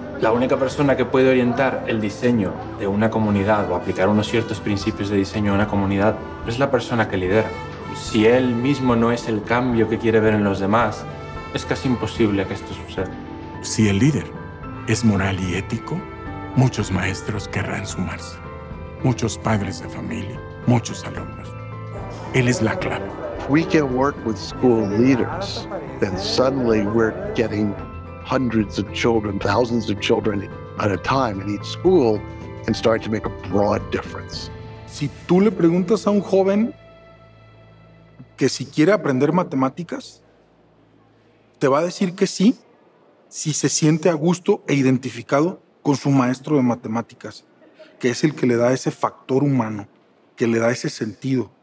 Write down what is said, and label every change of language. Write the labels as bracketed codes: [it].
[es] La única persona que puede orientar el diseño de una comunidad o aplicar unos ciertos principios de diseño a una comunidad es la persona que lidera. Si él mismo no es el cambio que quiere ver en los demás, es casi imposible que esto suceda. Si el líder es moral y ético, muchos maestros querrán sumarse, muchos padres de familia, muchos alumnos. Él es la clave. [en] We can work with school leaders, then suddenly we're getting hundreds of children, thousands of children at a time in each school and start to make a broad difference. [es] Si tú le preguntas a un joven que si quiere aprender matemáticas, te va a decir que sí, si se siente a gusto e identificado con su maestro de matemáticas, que es el que le da ese factor humano, que le da ese sentido.